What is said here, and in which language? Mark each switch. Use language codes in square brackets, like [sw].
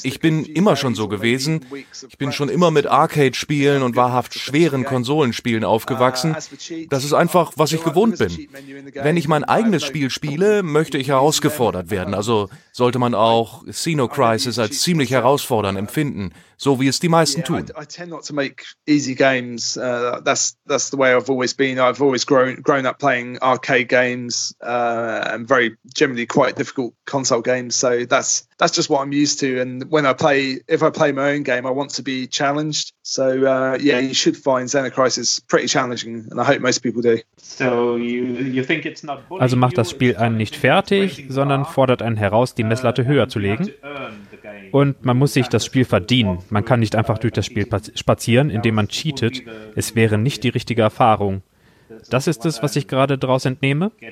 [de] Ich bin immer schon so gewesen. Ich bin schon immer mit Arcade-Spielen und wahrhaft schweren Konsolenspielen aufgewachsen. Das ist einfach, was ich gewohnt bin. Wenn ich mein eigenes Spiel spiele, möchte ich herausgefordert werden. Also sollte man auch Xenocrisis als ziemlich herausfordernd empfinden, so wie es die meisten tun. [en] I tend not to make easy games. That's the way I've always been. I've always grown up playing arcade games and very generally quite difficult console games. So that's just what I'm used to. And when I play, if I play my own game, I want to be challenged. So yeah, you should find Xenocrisis pretty challenging, and I hope most people do. So you think it's not bullying? [de] Also macht das Spiel einen nicht fertig, sondern fordert einen heraus, die Messlatte höher zu legen. Und man muss sich das Spiel verdienen. Man kann nicht einfach durch das Spiel spazieren, indem man cheatet. Es wäre nicht die richtige Erfahrung. Das ist es, was ich gerade daraus entnehme.